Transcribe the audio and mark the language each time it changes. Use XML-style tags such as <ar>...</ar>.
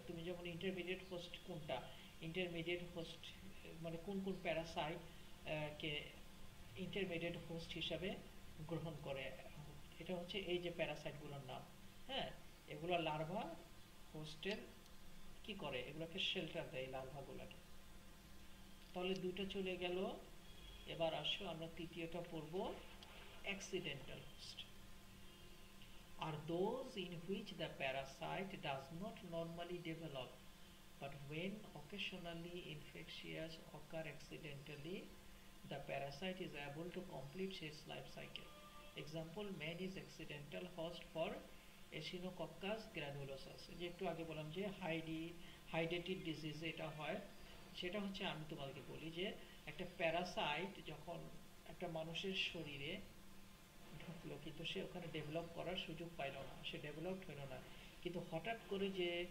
<bn>তুমি যেমন intermediate host কোনটা, ইন্টারমিডিয়েট হোস্ট মানে কোন কোন প্যারাসাইট কে ইন্টারমিডিয়েট হোস্ট হিসাবে গ্রহণ করে, এটা হচ্ছে এই যে প্যারাসাইটগুলোর নাম, হ্যাঁ এগুলো লার্ভা হোস্টের কি করে, এগুলোকে শেল্টার দেয় লার্ভাগুলোকে। তাহলে দুটো চলে গেল, এবার আসো আমরা তৃতীয়টা পড়ব, accidental host.</bn> <en>are those in which the parasite does not normally develop, but when occasionally infectious occur accidentally, the parasite is able to complete its life cycle. Example, man is accidental host for Echinococcus granulosa.</en> <bn>যে একটু আগে বললাম যে হাইডেটিক disease এটা হয়, সেটা হচ্ছে আমি তোমাদেরকে বলি যে একটা প্যারাসাইট যখন একটা মানুষের শরীরে ঢুকলো, কিন্তু সে ওখানে ডেভেলপ করার সুযোগ পাইল না, সে ডেভেলপ হইল না, কিন্তু হঠাৎ করে যে</bn>